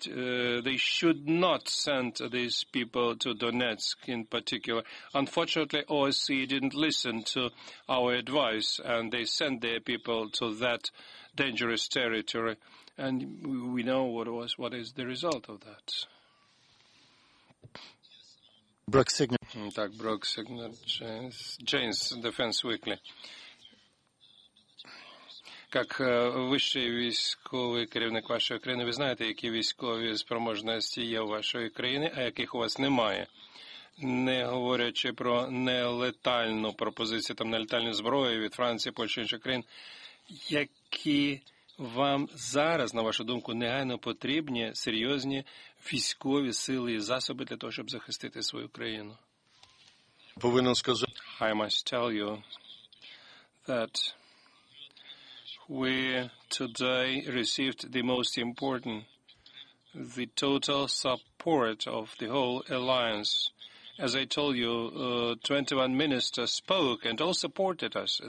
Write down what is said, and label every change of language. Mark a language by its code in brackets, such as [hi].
[en] They should not send these people to Donetsk in particular. Unfortunately, OSCE didn't listen to our advice, and they sent their people to that dangerous territory. And we know what is the result of that. Brooke Signer. [ru] Так, Брок Сигнер, Джейнс, Дефенс Уикли. [uk] Как вищий військовий керівник вашої країни, ви знаєте, які військові спроможності є у вашої країни, а яких у вас немає. Не говорячи про нелетальну пропозицію, там нелетальні зброї від Франції, Польщі, інших країн, які вам зараз, на вашу думку, негайно потрібні серйозні військові сили і засоби для того, щоб захистити свою країну? [en] I must tell you that we today received the most important, the total support of the whole alliance. As I told you, 21 ministers spoke and all supported us.